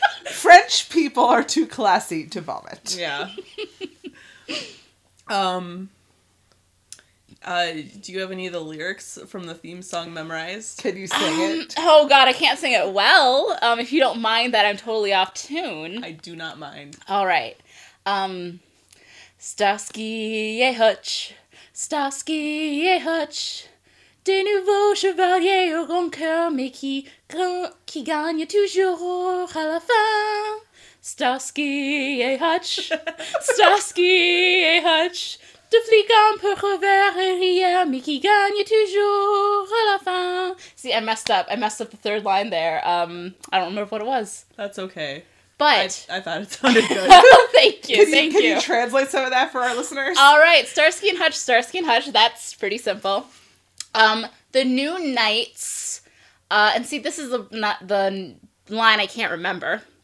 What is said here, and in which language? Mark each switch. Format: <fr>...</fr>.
<en>French people are too classy to vomit. Yeah. Do you have any of the lyrics from the theme song memorized? Can you sing it? Oh god, I can't sing it well, if you don't mind that I'm totally off tune. I do not mind. All right,</en> <fr>Starsky et Hutch, Starsky et Hutch, des nouveaux chevaliers au grand cœur, mais qui gagne toujours à la fin. Starsky et Hutch, Starsky et Hutch, De flic en peu revers et rien, mais qui gagne toujours à la fin.</fr> <en>See, I messed up. I messed up the third line there. I don't remember what it was. That's okay. But. I thought it sounded good. Thank you, thank you. Can you translate some of that for our listeners? All right, Starsky and Hutch, Starsky and Hutch. That's pretty simple. The new knights, and see, this is the line I can't remember.</en>